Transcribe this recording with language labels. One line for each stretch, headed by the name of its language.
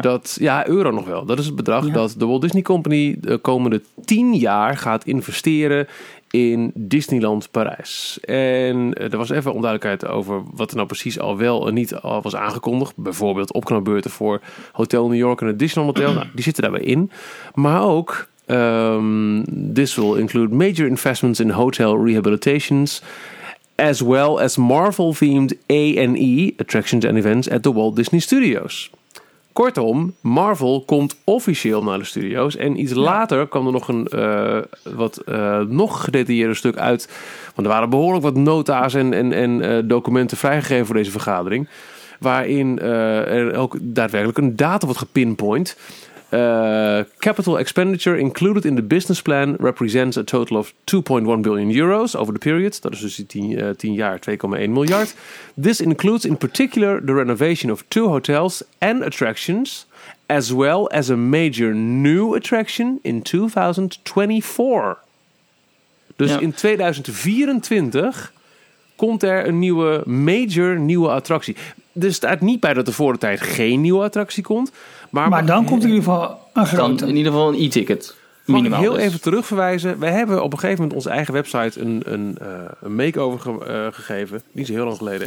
Dutch: Dat, ja, euro nog wel. Dat is het bedrag ja. dat de Walt Disney Company de komende 10 jaar gaat investeren in Disneyland Parijs. En er was even onduidelijkheid over wat er nou precies al wel en niet al was aangekondigd. Bijvoorbeeld opknapbeurten voor Hotel New York en het Disneyland Hotel. Nou, die zitten daarbij in. Maar ook,
English: this will include major investments in hotel rehabilitations... as well as Marvel-themed A&E attractions and events at the Walt Disney Studios.
Dutch: Kortom, Marvel komt officieel naar de studio's. En iets ja. later kwam er nog een nog gedetailleerder stuk uit. Want er waren behoorlijk wat nota's en documenten vrijgegeven voor deze vergadering. Waarin er ook daadwerkelijk een datum wordt gepinpoint.
English: Capital expenditure included in the business plan represents a total of 2.1 billion euros over the period.
Dutch: Dat is dus die 10 jaar, 2,1 miljard.
English: This includes in particular the renovation of 2 hotels and attractions, as well as a major new attraction in 2024.
Dutch: Dus yep. in 2024 komt er een nieuwe, major nieuwe attractie. Er staat niet bij dat er voor de tijd geen nieuwe attractie komt. Maar dan komt er in ieder geval een grote. In ieder geval een e-ticket. Minimaal. Heel dus. Even terugverwijzen. We hebben op een gegeven moment onze eigen website een makeover gegeven. Niet zo heel lang geleden.